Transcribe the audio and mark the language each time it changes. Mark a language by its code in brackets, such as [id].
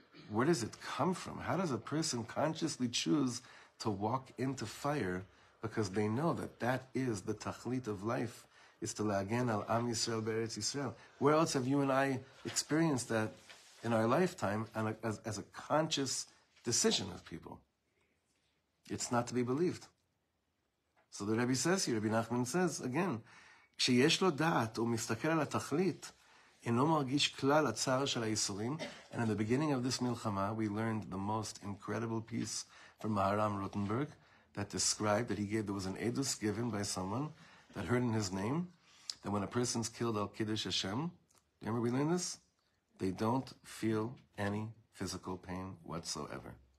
[en] Where does it come from? How does a person consciously choose to walk into fire because they know that that is the tachlit of life, is to [he] la'agen al am Yisrael be'eretz Yisrael? [en] Where else have you and I experienced that in our lifetime and as a conscious decision of people? It's not to be believed. So the Rebbe says here, Rebbe Nachman says again, [he] כשיש לו דעת, הוא מסתכל על התכלית, אינו מרגיש כלל הצער של היסורים. [en] And in the beginning of this milchama, we learned the most incredible piece from Maharam Rotenberg that described, that he gave, there was an edus given by someone that heard in his name, that when a person's killed [he] al Kiddush Hashem, [en] remember we learned this? They don't feel any physical pain whatsoever.